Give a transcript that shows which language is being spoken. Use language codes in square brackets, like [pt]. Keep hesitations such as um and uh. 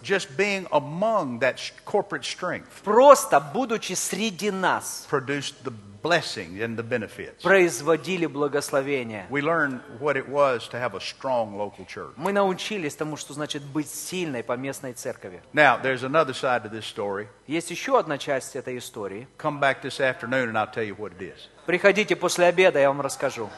[en] Just being among that corporate strength [ru] Просто будучи среди нас, [en] produced the blessings and the benefits. [ru] Производили благословения. [en] We learned what it was to have a strong local church. [ru] Мы научились тому, что значит быть сильной по местной церкви. [en] Now there's another side to this story. [ru] Есть еще одна часть этой истории. [en] Come back this afternoon, and I'll tell you what it is. [ru] Приходите после обеда, я вам расскажу.